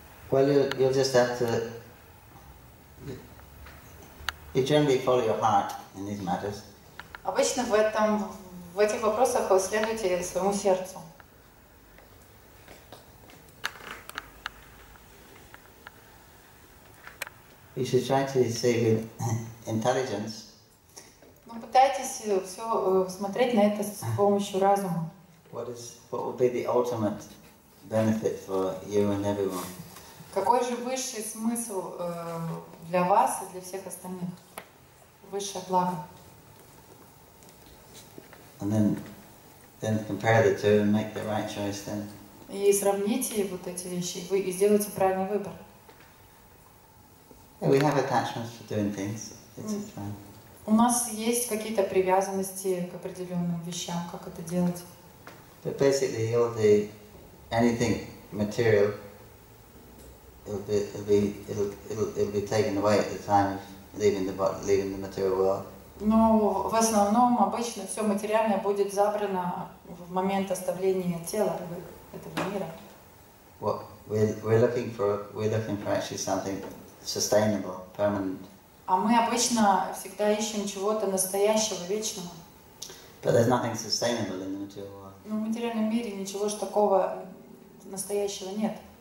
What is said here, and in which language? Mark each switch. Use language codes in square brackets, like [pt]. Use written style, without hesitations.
[en] Well, you just have to. You generally follow your heart in these matters. [ru] Обычно в этом В этих вопросах вы следуете своему сердцу. [en] You should try to save intelligence. [ru] Ну, пытайтесь все смотреть на это с помощью разума. [en] What would be the ultimate benefit for you and everyone? [ru] Какой же высший смысл для вас и для всех остальных? Высшее благо. [en] And then compare the two and make the right choice then. [ru] И сравните вот эти вещи, вы и сделайте правильный выбор. [en] Yeah, we have attachments for doing things. It's fine. [ru] У нас есть какие-то привязанности к определенным вещам, как это делать. [en] But basically anything material it'll be taken away at the time of leaving the material world. [ru] Но в основном обычно все материальное будет забрано в момент оставления тела этого мира. [en] We're looking for actually something sustainable, permanent. [ru] А мы обычно всегда ищем чего-то настоящего, вечного. [en] But there's nothing sustainable in the material world. [ru] Но в материальном мире ничего ж такого настоящего нет.